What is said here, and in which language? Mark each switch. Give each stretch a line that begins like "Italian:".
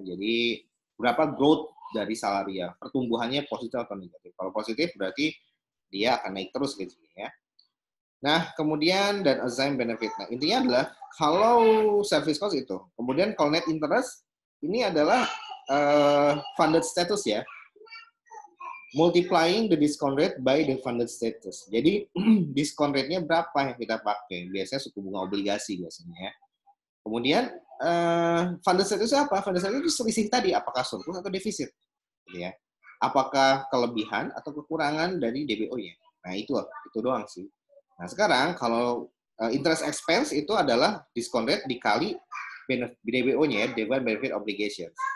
Indonesian: Jadi berapa growth dari salary ya, pertumbuhannya positif atau negatif. Kalau positif berarti dia akan naik terus gitu ya. Nah, kemudian dan assigned benefit. Nah, intinya adalah kalau service cost itu, kemudian kalau net interest ini adalah funded status ya.
English: Multiplying the discount rate by the funded status.
Indonesian: Jadi discount rate-nya berapa yang kita pakai? Biasanya suku bunga obligasi biasanya. Ya. Kemudian funded status apa? Funded status itu selisih tadi, apakah surplus atau defisit? Ya. Apakah kelebihan atau kekurangan dari DBO-nya? Nah itu doang sih. Nah sekarang kalau interest expense itu adalah discount rate dikali DBO-nya, divide benefit obligation.